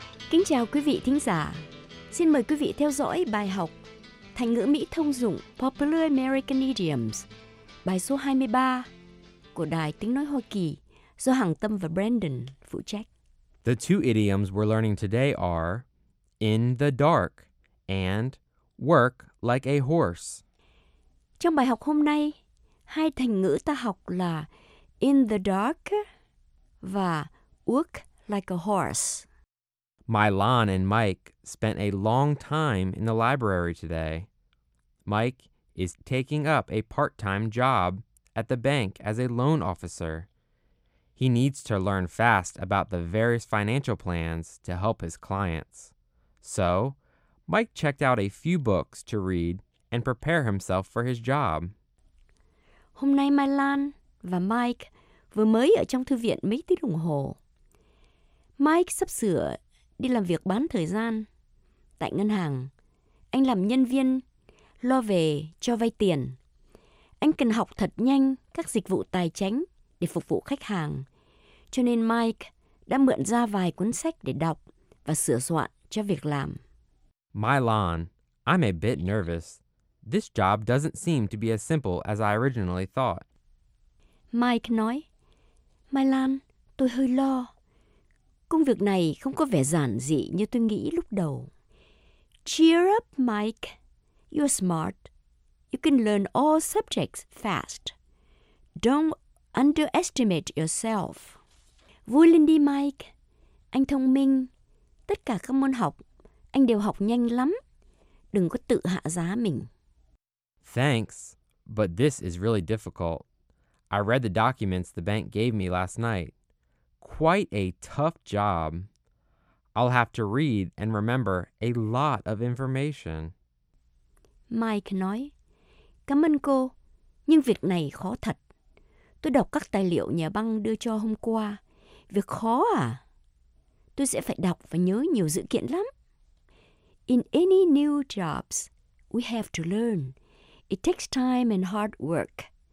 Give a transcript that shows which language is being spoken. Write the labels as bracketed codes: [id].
[vi] Kính chào quý vị thính giả. Xin mời quý vị theo dõi bài học Thành ngữ Mỹ thông dụng Popular American Idioms, bài số 23 của Đài Tiếng nói Hoa Kỳ do Hằng Tâm và Brandon phụ trách. [en] The two idioms we're learning today are in the dark and work like a horse. [vi] Trong bài học hôm nay, hai thành ngữ ta học là [en] in the dark [vi] và [en] work like a horse. Mylon and Mike spent a long time in the library today. Mike is taking up a part-time job at the bank as a loan officer. He needs to learn fast about the various financial plans to help his clients. So, Mike checked out a few books to read and prepare himself for his job. [vi] Hôm nay Mylon và Mike vừa mới ở trong thư viện mấy tiếng đồng hồ. Mike sắp sửa đi làm việc bán thời gian tại ngân hàng. Anh làm nhân viên, lo về cho vay tiền. Anh cần học thật nhanh các dịch vụ tài chính để phục vụ khách hàng. Cho nên Mike đã mượn ra vài cuốn sách để đọc và sửa soạn cho việc làm. [en] Mylon, I'm a bit nervous. This job doesn't seem to be as simple as I originally thought. [vi] Mike nói, Mylon, tôi hơi lo. Công việc này không có vẻ giản dị như tôi nghĩ lúc đầu. [en] Cheer up, Mike. You're smart. You can learn all subjects fast. Don't underestimate yourself. [vi] Vui lên đi, Mike. Anh thông minh. Tất cả các môn học, anh đều học nhanh lắm. Đừng có tự hạ giá mình. [en] Thanks, but this is really difficult. I read the documents the bank gave me last night. Quite a tough job. I'll have to read and remember a lot of information. [vi] Mike nói. Cảm ơn cô, nhưng việc này khó thật. Tôi đọc các tài liệu nhà băng đưa cho hôm qua. Việc khó à? Tôi sẽ phải đọc và nhớ nhiều dữ kiện lắm. [en] In any new jobs, we have to learn. It takes time and hard work.